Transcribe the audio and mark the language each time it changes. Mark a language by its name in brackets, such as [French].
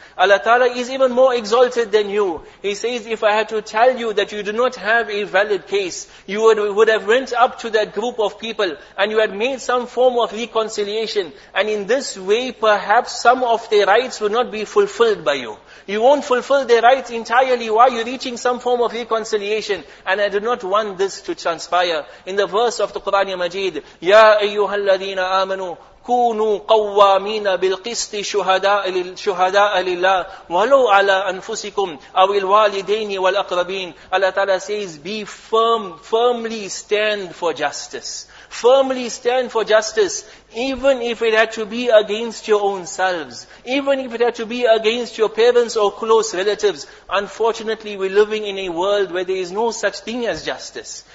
[English] Allah Ta'ala is even more exalted than you. He says, if I had to tell you that you do not have a valid case, you would have went up to that group of people and you had made some form of reconciliation. And in this way, perhaps some of their rights would not be fulfilled by you. You won't fulfill their rights entirely. Why are you reaching some form of reconciliation? And I do not want this to transpire. In the verse of the Quran Majid, [Arabic] Ya ayyuhal الذين آمنوا كونوا قوامين بالقسط شهداء لله ولو على أنفسكم أو الوالدين والأقربين. [English] Allah Ta'ala says, be firm, firmly stand for justice. Firmly stand for justice, even if it had to be against your own selves, even if it had to be against your parents or close relatives. Unfortunately, we're living in a world where there is no such thing as justice.